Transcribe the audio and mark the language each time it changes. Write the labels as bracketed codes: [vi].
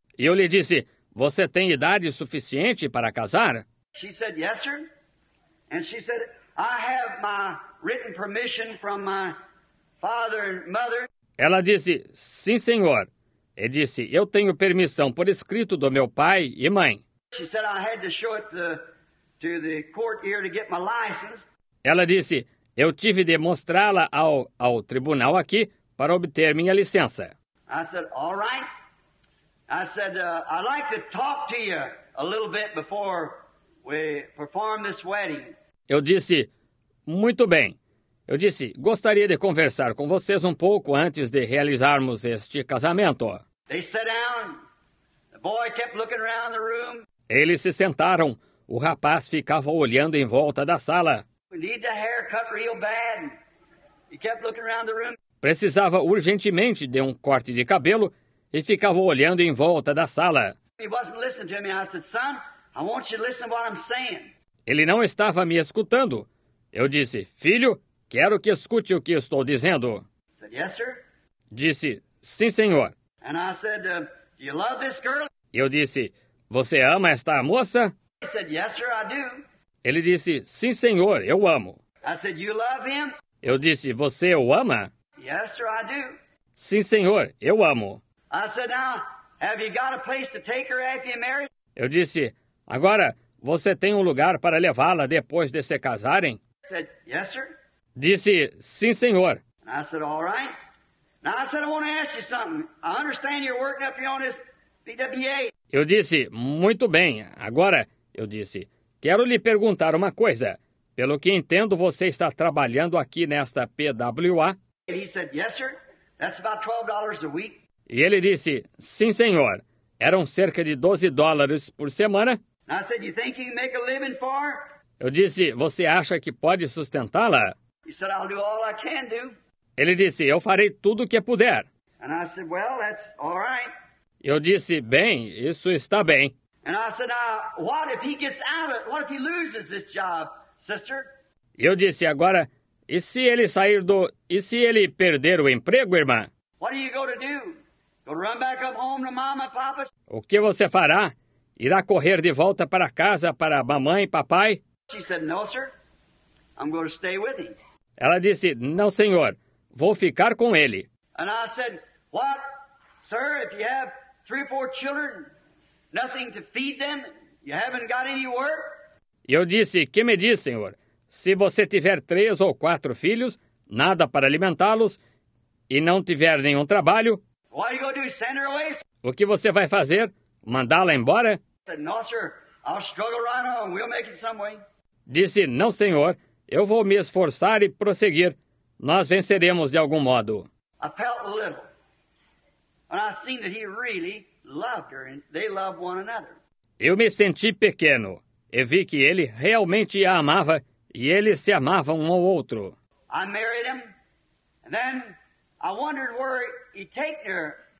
[pt] E eu lhe disse, você tem idade suficiente para casar? [en] She said, yes, sir. And she said, I have my written permission from my father and mother. [pt] Ela disse, sim, senhor. E disse, eu tenho permissão por escrito do meu pai e mãe. [en] She said, I had to show it to the court here to get my license. [pt] Ela disse, eu tive de mostrá-la ao tribunal aqui para obter minha licença. [en] I said, all right. I said, I'd like to talk to you a little bit before we perform this wedding. [pt] Eu disse, muito bem. Eu disse, gostaria de conversar com vocês um pouco antes de realizarmos este casamento. [en] They sat down. The boy kept looking around the room. [pt] Eles se sentaram. O rapaz ficava olhando em volta da sala. [en] We need the hair cut real bad. He kept looking around the room. [pt] Precisava urgentemente de um corte de cabelo e ficava olhando em volta da sala. [en] He wasn't listening to me. I said, son, I want you to listen to what I'm saying. [pt] Ele não estava me escutando. Eu disse, filho, quero que escute o que estou dizendo. [en] Said, yes, sir. [pt] Disse, sim, senhor. [en] And I said, do you love this girl? [pt] Eu disse, você ama esta moça? [en] He said, yes, sir, I do. [pt] Ele disse, sim, senhor, eu amo. [en] I said, you love him? [pt] Eu disse, você o ama? [en] Yes, sir, I do. [pt] Sim, senhor, eu amo. [en] I said, now, have you got a place to take her after you marry? [pt] Eu disse, agora, você tem um lugar para levá-la depois de se casarem? [en] I said, yes, sir. [pt] Disse, sim, senhor. [en] And I said, all right. Now, I said, I want to ask you something. I understand you're working up here on this BWA. [pt] Eu disse, muito bem. Agora, eu disse, quero lhe perguntar uma coisa. Pelo que entendo, você está trabalhando aqui nesta PWA. [en] And he said, yes, sir. That's about $12 a week. [pt] E ele disse, sim, senhor. Eram cerca de $12 por semana. [en] I said, you think you can make a living for? [pt] Eu disse, você acha que pode sustentá-la? [en] He said, I'll do all I can do. [pt] Ele disse, eu farei tudo o que puder. [en] And I said, well, that's all right. [pt] Eu disse, bem, isso está bem. [en] And I said, what if he gets out of it? What if he loses this job, sister? [pt] Eu disse, agora, e se ele sair do... E se ele perder o emprego, irmã? [en] What are you going to do? Go run back up home to mama and papa? [pt] O que você fará? Irá correr de volta para casa para mamãe e papai? [en] She said, no, sir. I'm going to stay with him. [pt] Ela disse, não, senhor. Vou ficar com ele. [en] And I said, what? Sir, if you have three or four children, nothing to feed them, you haven't got any work? [pt] Eu disse, que me diz, senhor? Se você tiver três ou quatro filhos, nada para alimentá-los, e não tiver nenhum trabalho, what are you going to do, send her away? O que você vai fazer? Mandá-la embora? [en] No, sir. I'll struggle right on. We'll make it some way. [pt] Disse, não, senhor. Eu vou me esforçar e prosseguir. Nós venceremos de algum modo. [en] I felt a little. And I seen that he really loved her and they loved one another. [pt] Eu me senti pequeno e vi que ele realmente a amava e eles se amavam um ao outro. [en] I married him and then I wondered where he'd take her.